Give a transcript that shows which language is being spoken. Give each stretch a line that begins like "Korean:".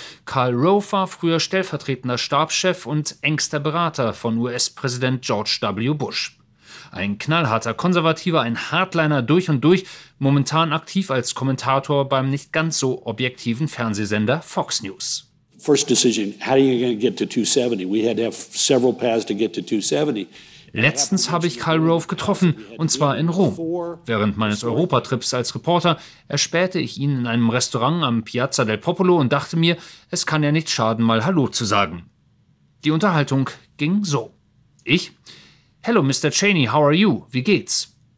German: Karl Rove war früher stellvertretender Stabschef und engster Berater von US-Präsident George W. Bush. Ein knallharter Konservativer, ein Hardliner durch und durch, momentan aktiv als Kommentator beim nicht ganz so objektiven Fernsehsender Fox News.
English: First decision, how are you going to get to 270? We had to have several paths to get to 270.
German: Letztens habe ich Karl Rove getroffen, und zwar in Rom. Während meines Europatrips als Reporter erspähte ich ihn in einem Restaurant am Piazza del Popolo und dachte mir, es kann ja nicht schaden, mal Hallo zu sagen. Die Unterhaltung ging so. Ich:
English: Hello, Mr. Cheney, how are you?
German: Wie geht's?